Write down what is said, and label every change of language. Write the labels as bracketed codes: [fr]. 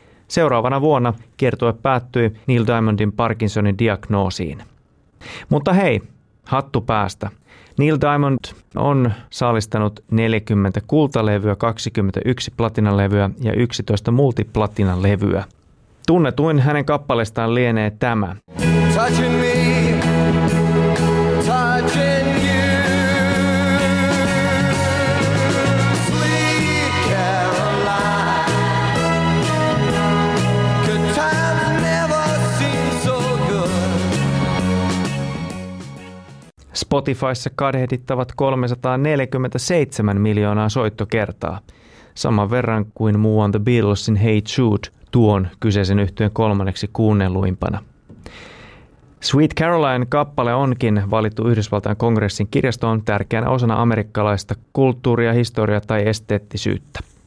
[fi] Seuraavana vuonna kiertue päättyi Neil Diamondin Parkinsonin diagnoosiin. Mutta hei, hattu päästä. Neil Diamond on saalistanut 40 kultalevyä, 21 platinalevyä ja 11 multiplatinalevyä. Tunnetuin hänen kappaleestaan lienee tämä. [en] Touching me, touching you. Sweet Caroline. Could time never seem so good. [fi] Spotifyssa kadehdittavat 347 miljoonaa soittokertaa. Saman verran kuin muuan The Beatlesin Hey Jude tuon kyseisen yhtyeen kolmanneksi kuunnelluimpana. Sweet Caroline-kappale onkin valittu Yhdysvaltain kongressin kirjastoon tärkeänä osana amerikkalaista kulttuuria, historiaa tai esteettisyyttä.